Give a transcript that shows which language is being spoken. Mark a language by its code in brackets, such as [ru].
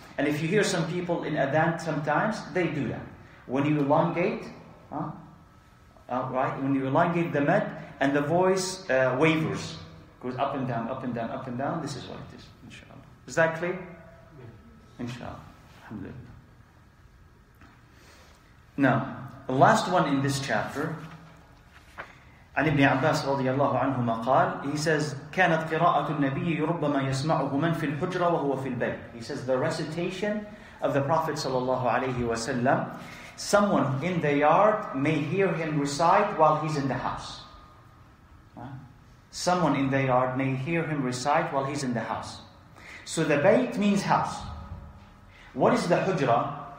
[en] And if you hear some people in adhan sometimes, they do that. When you elongate, when you elongate the med, and the voice wavers, goes up and down, up and down, up and down, this is what it is, inshallah. Is that clear? Yeah. Inshallah. Alhamdulillah. Now, the last one in this chapter, [ar] عن ابن عباس رضي الله عنهما قال, [en] he says, [ar] كانت قراءة النبي ربما يسمعه من في الحجرة وهو في البيت. [en] He says, the recitation of the Prophet صلى الله عليه وسلم, someone in the yard may hear him recite while he's in the house. Someone in the yard may hear him recite while he's in the house. So the bayt means house. What is the hujra?